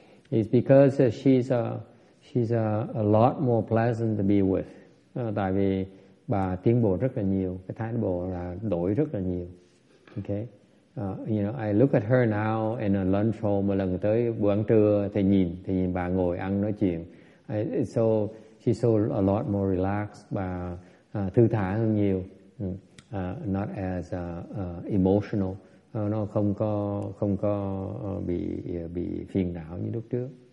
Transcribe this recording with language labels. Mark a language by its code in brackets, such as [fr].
[en] It's because she's a lot more pleasant to be with. [vi] Tại vì bà tiến bộ rất là nhiều, cái thái độ là đổi rất là nhiều. [en] Okay. You know, I look at her now in a lunch home. [vi] Một lần tới bữa ăn trưa, thầy nhìn bà ngồi ăn nói chuyện. [en] So she's so a lot more relaxed, [vi] bà thư thả hơn nhiều. [en] Not as emotional. [vi] Nó không có bị phiền não như lúc trước.